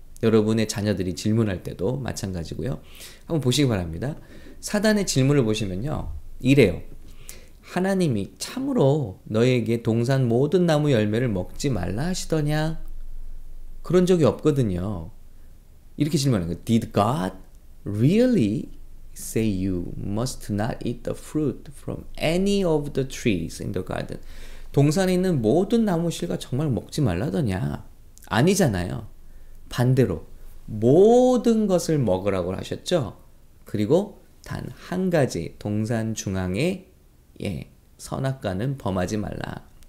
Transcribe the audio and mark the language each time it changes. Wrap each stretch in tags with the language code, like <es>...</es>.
<ko>여러분의 자녀들이 질문할 때도 마찬가지고요. 한번 보시기 바랍니다. 사단의 질문을 보시면요, 이래요. 하나님이 참으로 너에게 동산 모든 나무 열매를 먹지 말라 하시더냐? 그런 적이 없거든요. 이렇게 질문하는 거예요.</ko> <en>Did God really say you must not eat the fruit from any of the trees in the garden?</en> <ko>동산에 있는 모든 나무실과 정말 먹지 말라더냐? 아니잖아요. 반대로 모든 것을 먹으라고 하셨죠? 그리고 단 한 가지 동산 중앙에, 예, 선악과는 범하지 말라.</ko>